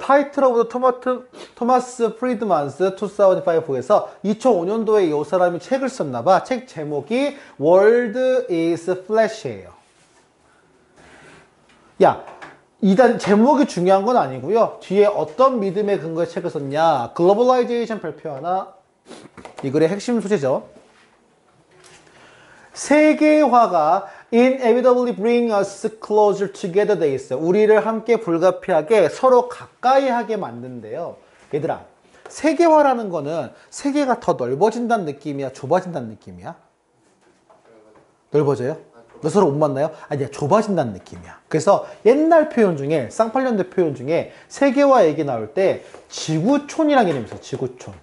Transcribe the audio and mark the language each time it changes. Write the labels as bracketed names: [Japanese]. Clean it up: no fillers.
[English] Title of the [Korean] 토마스 프리드만스 2005에서 2005년도에 이 사람이 책을 썼나 봐. 책 제목이 World is Flash예요. 야, 일단 제목이 중요한 건 아니고요. 뒤에 어떤 믿음에 근거해 책을 썼냐. Globalization 발표하나? 이 글의 핵심 소재죠. 세계화가 [English] inevitably bring us closer together [Korean] 돼 있어요. 우리를 함께 불가피하게 서로 가까이 하게 만든대요. 얘들아, 세계화라는 거는 세계가 더 넓어진다는 느낌이야, 좁아진다는 느낌이야? 넓어져요? 너 서로 못 만나요? 아니야, 좁아진다는 느낌이야. 그래서 옛날 표현 중에, 쌍팔년대 표현 중에 세계화 얘기 나올 때 지구촌이라는 개념이 있어. 지구촌.